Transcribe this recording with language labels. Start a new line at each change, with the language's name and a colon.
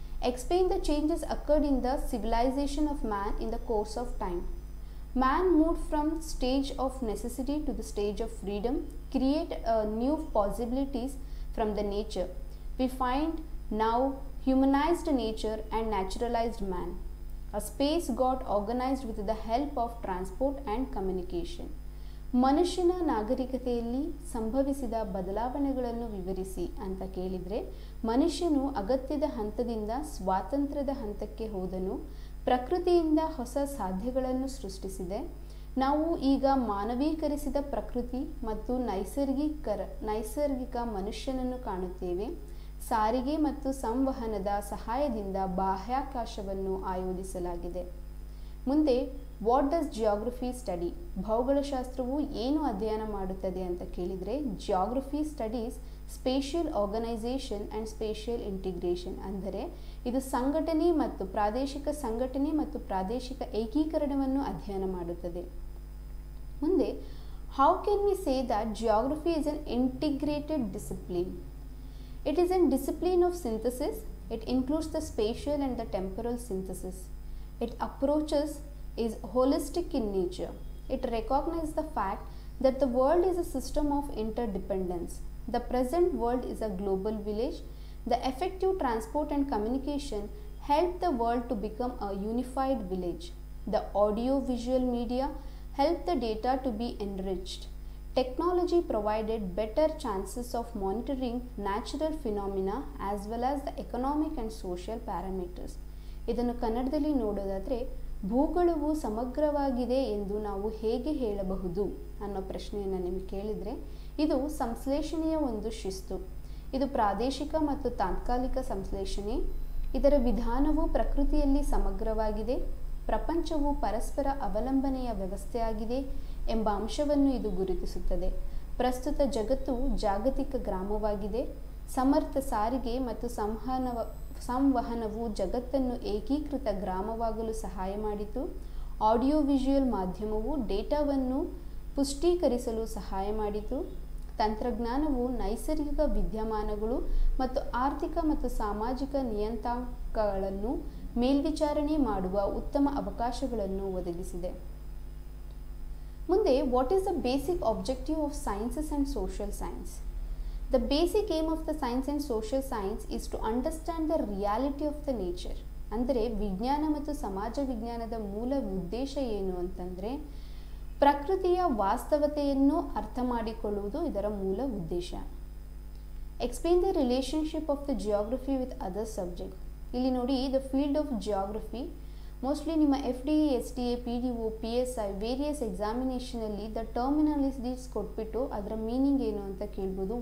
English: Explain the changes occurred in the civilisation of man in the course of time. Man moved from stage of necessity to the stage of freedom, create new possibilities from the nature. We find now humanised nature and naturalised man. A space got organized with the help of transport and communication.
Kannada: ಮನುಷ್ಯನ ನಾಗರಿಕತೆಯಲ್ಲಿ ಸಂಭವಿಸಿದ ಬದಲಾವಣೆಗಳನ್ನು ವಿವರಿಸಿ ಅಂತ ಕೇಳಿದರೆ, ಮನುಷ್ಯನು ಅಗತ್ಯದ ಹಂತದಿಂದ ಸ್ವಾತಂತ್ರ್ಯದ ಹಂತಕ್ಕೆ ಹೋದನು, ಪ್ರಕೃತಿಯಿಂದ ಹೊಸ ಸಾಧ್ಯಗಳನ್ನು ಸೃಷ್ಟಿಸಿದೆ. ನಾವು ಈಗ ಮಾನವೀಕರಿಸಿದ ಪ್ರಕೃತಿ ಮತ್ತು ನೈಸರ್ಗಿಕ ಮನುಷ್ಯನನ್ನು ಕಾಣುತ್ತೇವೆ. ಸಾರಿಗೆ ಮತ್ತು ಸಂವಹನದ ಸಹಾಯದಿಂದ ಬಾಹ್ಯಾಕಾಶವನ್ನು ಆಯೋಜಿಸಲಾಗಿದೆ. ಮುಂದೆ
English: what does geography study,
Kannada: ಭೌಗೋಳಶಾಸ್ತ್ರವು ಏನು ಅಧ್ಯಯನ ಮಾಡುತ್ತದೆ ಅಂತ ಕೇಳಿದರೆ,
English: geography studies spatial organisation and spatial integration,
Kannada: ಅಂದರೆ ಇದು ಸಂಘಟನೆ ಮತ್ತು ಪ್ರಾದೇಶಿಕ ಸಂಘಟನೆ ಮತ್ತು ಪ್ರಾದೇಶಿಕ ಏಕೀಕರಣವನ್ನು ಅಧ್ಯಯನ ಮಾಡುತ್ತದೆ. ಮುಂದೆ
English: How can we say that geography is an integrated discipline. It is an discipline of synthesis. It includes the spatial and the temporal synthesis. It approaches is holistic in nature. It recognizes the fact that the world is a system of interdependence. The present world is a global village. The effective transport and communication help the world to become a unified village. The audio-visual media help the data to be enriched. Technology provided better chances of monitoring natural phenomena as well as the economic and social parameters.
Kannada: ಇದನ್ನು ಕನ್ನಡದಲ್ಲಿ ನೋಡೋದಾದರೆ, ಭೂಗೋಳವು ಸಮಗ್ರವಾಗಿದೆ ಎಂದು ನಾವು ಹೇಗೆ ಹೇಳಬಹುದು ಅನ್ನೋ ಪ್ರಶ್ನೆಯನ್ನು ನಿಮಗೆ ಕೇಳಿದರೆ, ಇದು ಸಂಶ್ಲೇಷಣೆಯ ಒಂದು ಶಿಸ್ತು. ಇದು ಪ್ರಾದೇಶಿಕ ಮತ್ತು ತಾತ್ಕಾಲಿಕ ಸಂಶ್ಲೇಷಣೆ. ಇದರ ವಿಧಾನವು ಪ್ರಕೃತಿಯಲ್ಲಿ ಸಮಗ್ರವಾಗಿದೆ, ಪ್ರಪಂಚವು ಪರಸ್ಪರ ಅವಲಂಬನೆಯ ವ್ಯವಸ್ಥೆಯಾಗಿದೆ ಎಂಬ ಅಂಶವನ್ನು ಇದು ಗುರುತಿಸುತ್ತದೆ. ಪ್ರಸ್ತುತ ಜಗತ್ತು ಜಾಗತಿಕ ಗ್ರಾಮವಾಗಿದೆ. ಸಮರ್ಥ ಸಾರಿಗೆ ಮತ್ತು ಸಂವಹನವು ಜಗತ್ತನ್ನು ಏಕೀಕೃತ ಗ್ರಾಮವಾಗಲು ಸಹಾಯ ಮಾಡಿತು. ಆಡಿಯೋ ವಿಜುವಲ್ ಮಾಧ್ಯಮವು ಡೇಟಾವನ್ನು ಪುಷ್ಟೀಕರಿಸಲು ಸಹಾಯ ಮಾಡಿತು. ತಂತ್ರಜ್ಞಾನವು ನೈಸರ್ಗಿಕ ವಿದ್ಯಮಾನಗಳು ಮತ್ತು ಆರ್ಥಿಕ ಮತ್ತು ಸಾಮಾಜಿಕ ನಿಯತಾಂಕಗಳನ್ನು ಮೇಲ್ವಿಚಾರಣೆ ಮಾಡುವ ಉತ್ತಮ ಅವಕಾಶಗಳನ್ನು ಒದಗಿಸಿದೆ. ಮುಂದೆ
English: What is the basic objective of sciences and social science. The basic aim of the science and social science is to understand the reality of the nature.
Kannada: ಅಂದರೆ ವಿಜ್ಞಾನ ಮತ್ತು ಸಮಾಜ ವಿಜ್ಞಾನದ ಮೂಲ ಉದ್ದೇಶ ಏನು ಅಂತಂದರೆ, ಪ್ರಕೃತಿಯ ವಾಸ್ತವತೆಯನ್ನು ಅರ್ಥ ಮಾಡಿಕೊಳ್ಳುವುದು ಇದರ ಮೂಲ ಉದ್ದೇಶ.
English: Explain the relationship of the geography with other subject.
Kannada: ಇಲ್ಲಿ ನೋಡಿ,
English: the field of geography mostly
Kannada: ನಿಮ್ಮ FDA, STA, PDO, PSI
English: various ಎಕ್ಸಾಮಿನೇಷನಲ್ಲಿ the terminologies
Kannada: ಕೊಟ್ಬಿಟ್ಟು ಅದರ ಮೀನಿಂಗ್ ಏನು ಅಂತ ಕೇಳ್ಬೋದು.